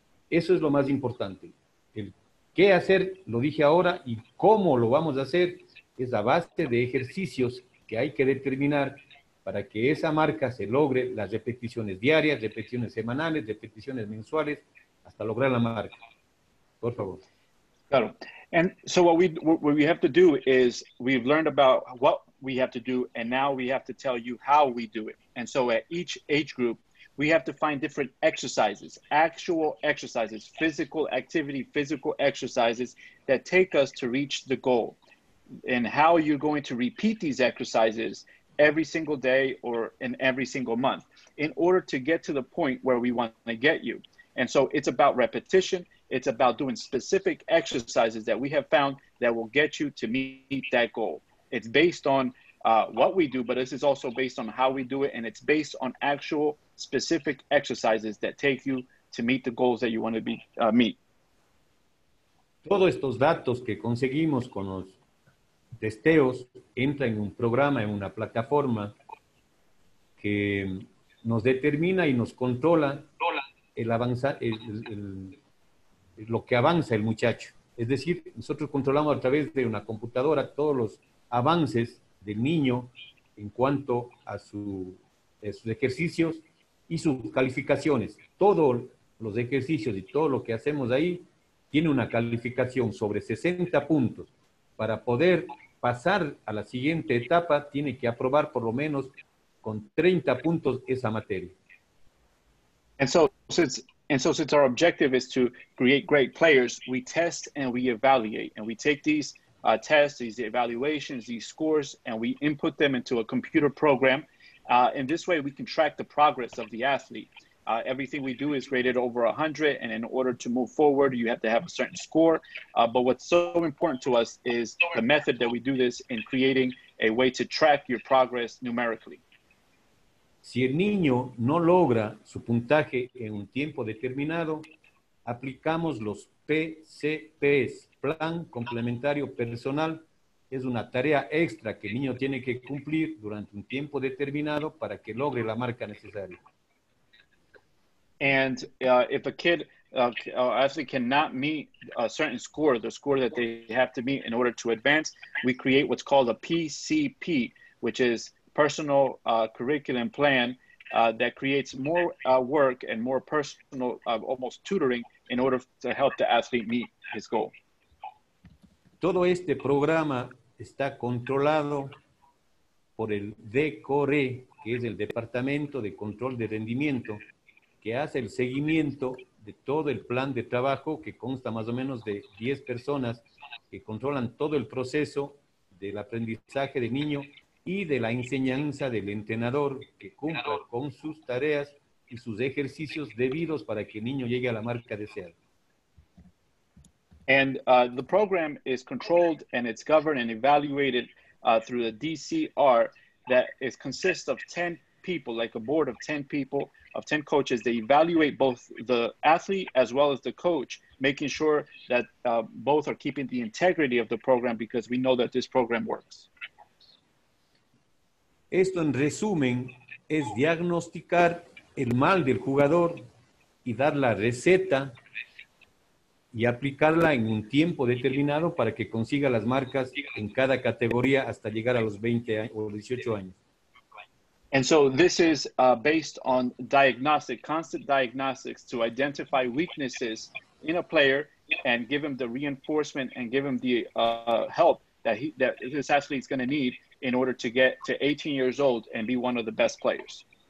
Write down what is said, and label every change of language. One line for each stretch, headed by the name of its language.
Spanish: Eso es lo más importante. El qué hacer, lo dije ahora, y cómo lo vamos a hacer, es la base de ejercicios que hay que determinar para que esa marca se logre, las repeticiones diarias, repeticiones semanales, repeticiones mensuales, hasta lograr la marca. Por favor. Claro.
English: And so what we have to do is we've learned about what we have to do, and now we have to tell you how we do it. And so at each age group, we have to find different exercises, actual exercises, physical activity, physical exercises that take us to reach the goal. And how you're going to repeat these exercises every single day or in every single month in order to get to the point where we want to get you. And so it's about repetition. It's about doing specific exercises that we have found that will get you to meet that goal. It's based on what we do, but this is also based on how we do it. And it's based on actual specific exercises that take you to meet the goals that you want to be meet.
Spanish: Todos estos datos que conseguimos con los testeos entran en un programa, en una plataforma que nos determina y nos controla el avanzar, lo que avanza el muchacho. Es decir, nosotros controlamos a través de una computadora todos los avances del niño en cuanto a sus ejercicios y sus calificaciones. Todos los ejercicios y todo lo que hacemos ahí tiene una calificación sobre 60 puntos. Para poder pasar a la siguiente etapa, tiene que aprobar por lo menos con 30 puntos esa materia.
English: And so since our objective is to create great players, we test and we evaluate. And we take these tests, these evaluations, these scores, and we input them into a computer program. And this way, we can track the progress of the athlete. Everything we do is graded over 100. And in order to move forward, you have to have a certain score. But what's so important to us is the method that we do this in, creating a way to track your progress numerically.
Spanish: Si el niño no logra su puntaje en un tiempo determinado, aplicamos los PCPs, Plan Complementario Personal. Es una tarea extra que el niño tiene que cumplir durante un tiempo determinado para que logre la marca necesaria.
English: And if a kid actually cannot meet a certain score, the score that they have to meet in order to advance, we create what's called a PCP, which is personal curriculum plan that creates more work and more personal, almost tutoring, in order to help the athlete meet his goal.
Spanish: Todo este programa está controlado por el DECORE, que es el Departamento de Control de Rendimiento, que hace el seguimiento de todo el plan de trabajo, que consta más o menos de 10 personas que controlan todo el proceso del aprendizaje del niño y de la enseñanza del entrenador, que cumpla con sus tareas y sus ejercicios debidos para que el niño llegue a la marca deseada.
English: And the program is controlled and it's governed and evaluated through the DCR that is consists of 10 people, like a board of 10 people, of 10 coaches. They evaluate both the athlete as well as the coach, making sure that both are keeping the integrity of the program, because we know that this program works.
Spanish: Esto, en resumen, es diagnosticar el mal del jugador y dar la receta y aplicarla en un tiempo determinado para que consiga las marcas en cada categoría hasta llegar a los 20 o 18 años.
English: And so this is based on diagnostic, constant diagnostics to identify weaknesses in a player and give him the reinforcement and give him the help that he, that this athlete is going to need in order to get to 18 years old and be one of the best players.